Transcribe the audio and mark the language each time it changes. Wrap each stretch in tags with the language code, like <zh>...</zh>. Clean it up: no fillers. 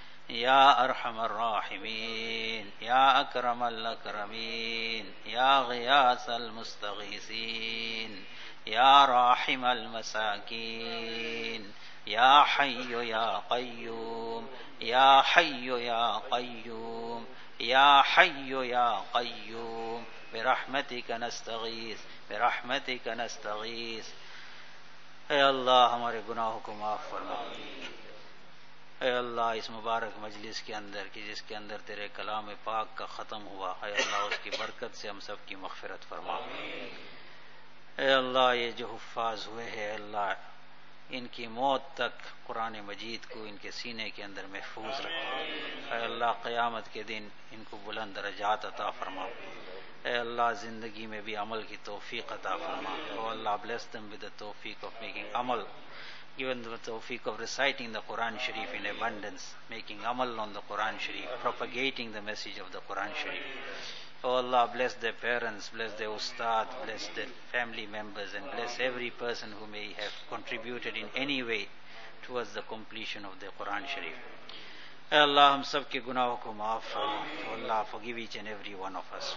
<ar>يا أرحم الراحمين يا أكرم الأكرمين يا غياث المستغيثين يا راحم المساكين يا حي يا قيوم يا حي يا قيوم يا حي يا قيوم برحمتك نستغيث برحمتك نستغيث</ar> <ur>اے اللہ ہمارے گناہوں کو معاف فرما اے اللہ اس مبارک مجلس کے اندر کہ جس کے اندر تیرے کلام پاک کا ختم ہوا اے اللہ اس کی برکت سے ہم سب کی مغفرت فرما آمین اے اللہ یہ جو حفاظ ہوئے ہیں اے اللہ ان کی موت تک قرآن مجید کو ان کے سینے کے اندر محفوظ رکھو، اے اللہ قیامت کے دن ان کو بلند درجات عطا فرما، اے اللہ زندگی میں بھی عمل کی توفیق عطا فرما،</ur> <en>Oh Allah bless them with the توفیق of making عمل، given the tawfiq of reciting the Quran Sharif in abundance, making amal on the Quran Sharif, propagating the message of the Quran Sharif. Oh Allah, bless their parents, bless their ustad, bless their family members, and bless every person who may have contributed in any way towards the completion of the Quran Sharif.</en> <ur>Ay Allah, hum sab ke gunaho ko maaf farma.</ur> <en>Allah, forgive each and every one of us.</en>